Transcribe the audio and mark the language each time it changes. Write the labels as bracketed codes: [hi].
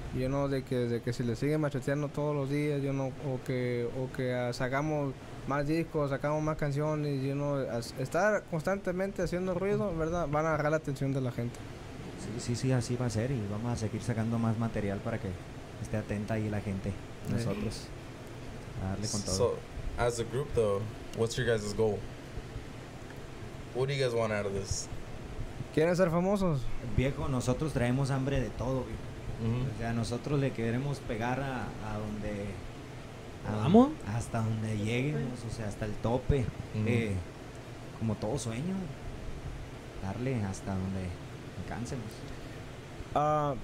[es] Yo no, de que si le siguen macheteando todos los días, yo no, o que sacamos más discos, sacamos más canciones, yo no, estar constantemente haciendo ruido, ¿verdad? Van a agarrar la atención de la gente. Sí, así va a ser. Y vamos a seguir sacando más material para que esté atenta ahí la gente, nosotros. Sí. [en] So, as a group though, what's your guys' goal? What do you guys want out of this? [es] ¿Quieren ser famosos? Viejo, nosotros traemos hambre de todo, viejo. Mm-hmm. O sea, nosotros le queremos pegar a donde ¿vamos? Hasta donde lleguemos, o sea, hasta el tope. Mm-hmm. Como todo sueño, darle hasta donde alcancemos.